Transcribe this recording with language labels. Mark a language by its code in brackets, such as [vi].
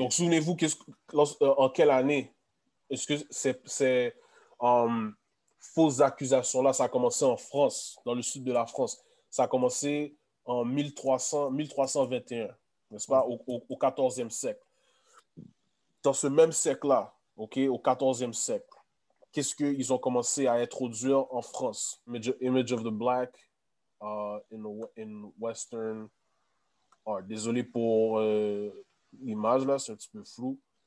[fr] Donc, souvenez-vous, en quelle année est-ce que ces fausses accusations-là, ça a commencé en France, dans le sud de la France. Ça a commencé en 1321, n'est-ce pas, au 14e siècle. Dans ce même siècle-là, okay, au 14e siècle, qu'est-ce qu'ils ont commencé à introduire en France? [en] Image of the black in Western art. [fr] Désolé pour l'image là, c'est un petit peu flou.